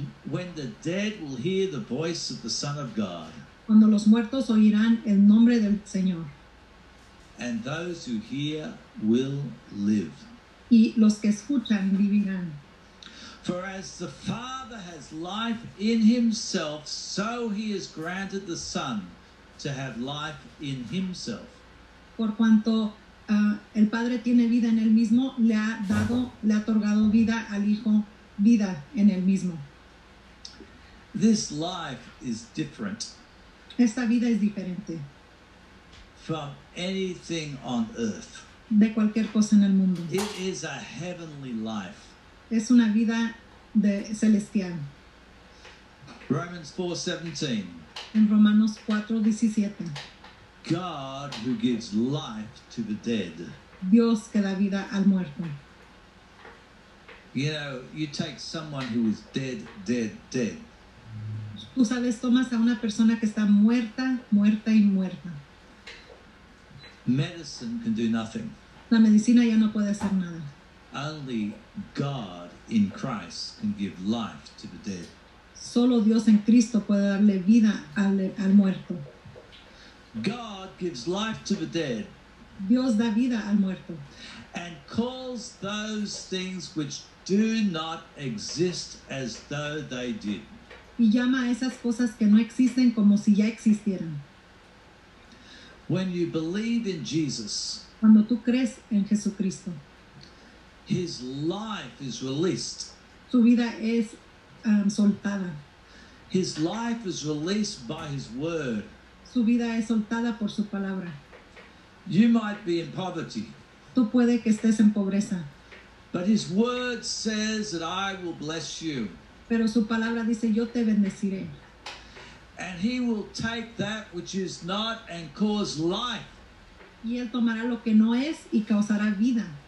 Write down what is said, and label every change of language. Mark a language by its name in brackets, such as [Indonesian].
[English] when the dead will hear the voice of the Son of God, [Spanish] cuando los muertos oirán el nombre del Señor, [English] and those who hear will live, [Spanish] y los que escuchan vivirán. [English] For as the Father has life in himself, so he has granted the Son to have life in himself. [Spanish] Por cuanto el Padre tiene vida en él mismo, le ha otorgado vida al Hijo, vida en él mismo. [English] This life is different. [Spanish] Esta vida es diferente. [English] From anything on earth. [Spanish] De cualquier cosa en el mundo. [English] It is a heavenly life. [Spanish] Es una vida de celestial. [English] Romans 4:17. [Spanish] En Romanos 4:17. [English] God who gives life to the dead. [Spanish] Dios que da vida al muerto. [English] You know, you take someone who is dead, dead, dead. [Spanish] Tú sabes, tomas a una persona que está muerta, muerta y muerta. [English] Medicine can do nothing. [Spanish] La medicina ya no puede hacer nada. [English] Only God in Christ can give life to the dead. [Spanish] Solo Dios en Cristo puede darle vida al muerto. [English] God gives life to the dead. [Spanish] Dios da vida al muerto. [English] And calls those things which do not exist as though they did. [Spanish] Y llama a esas cosas que no existen como si ya existieran. [English] When you believe in Jesus, [Spanish] cuando tú crees en Jesucristo, [English] his life is released. [Spanish] Su vida es soltada. [English] His life is released by his word. [Spanish] Su vida es soltada por su palabra. [English] You might be in poverty. [Spanish] Tú puede que estés en pobreza. [English] But his word says that I will bless you. [Spanish] Pero su palabra dice, yo te bendeciré. [English] And he will take that which is not and cause life. [Spanish] Y él tomará lo que no es y causará vida.